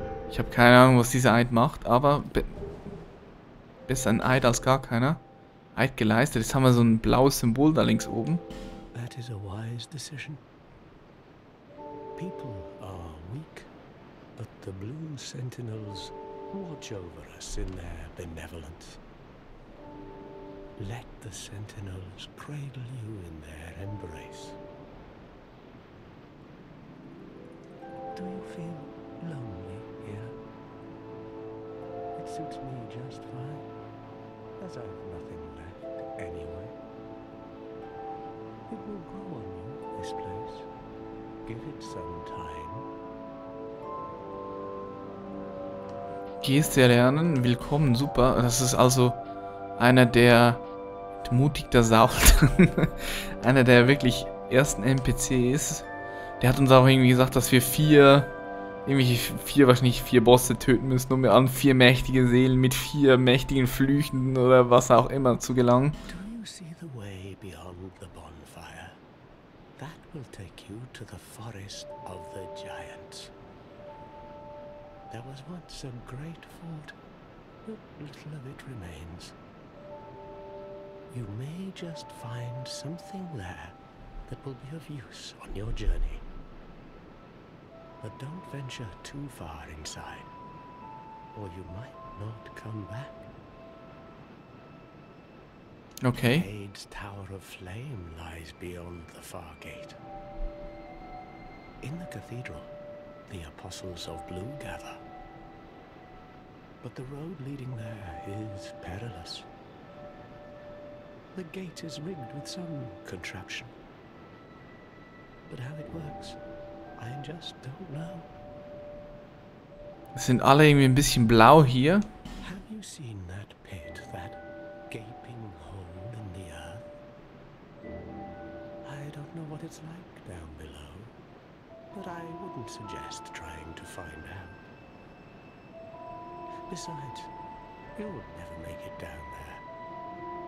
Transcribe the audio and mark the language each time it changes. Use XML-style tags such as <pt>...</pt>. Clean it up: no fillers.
<de>Ich habe keine Ahnung, was dieser Eid macht, aber besser ein Eid als gar keiner. Eid geleistet. Jetzt haben wir so ein blaues Symbol da links oben.</de> <en>That is a wise decision. People are weak, but the blue sentinels watch over us in their benevolence. Let the sentinels cradle you in their embrace. Do you feel lonely? It suits me just fine, as I've nothing left anyway. It will grow on you, this place. Give it some time.</en> <de>Geste lernen, willkommen, super. Das ist also einer der mutigsten Sauten. Einer der wirklich ersten NPCs. Der hat uns auch irgendwie gesagt, dass wir vier Bosse töten müssen, um an vier mächtige Seelen mit vier mächtigen Flüchen oder was auch immer zu gelangen.</de> <en>Do you see the way beyond the bonfire? That will take you to the forest of the giants. There was once a great fort, but little of it remains. You may just find something there that will be of use on your journey. But don't venture too far inside, or you might not come back. Okay. Jade's Tower of Flame lies beyond the far gate. In the cathedral, the apostles of Blue gather. But the road leading there is perilous. The gate is rigged with some contraption. But how it works, I just don't know.</en> <de>Es sind alle irgendwie ein bisschen blau hier.</de> <en>Have you seen that pit, that gaping hole in the earth? I don't know what it's like down below, but I wouldn't suggest trying to find out. Besides, you'll never make it down there.</en>